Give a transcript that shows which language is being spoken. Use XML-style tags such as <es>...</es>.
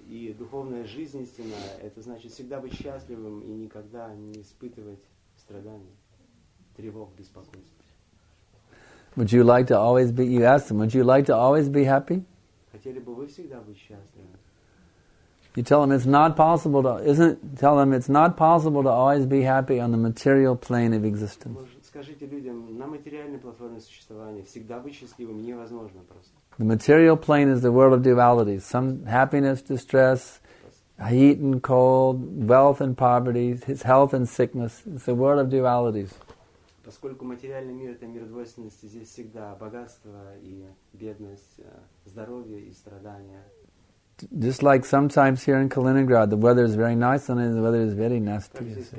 <ru>И духовная жизнь истинна, это значит всегда быть счастливым и никогда не испытывать страданий, тревог, беспокойств.</ru> <en>Would you like to always be? You ask them. Would you like to always be happy?</en> <ru>Хотели бы вы всегда быть счастливым.</ru> <en>You tell them it's not possible to. Isn't tell them it's not possible to always be happy on the material plane of existence.</en> <ru>Скажите людям на материальной платформе существования всегда быть счастливым невозможно просто.</ru> <en>The material plane is the world of duality. Some happiness, distress, heat and cold, wealth and poverty, his health and sickness. It's a world of dualities.</en> <ru>Поскольку материальный мир – это мир двойственности, здесь всегда богатство и бедность, здоровье и страдания.</ru> <en>Just like sometimes here in Kaliningrad, the weather is very nice, and the weather is very nasty.</en>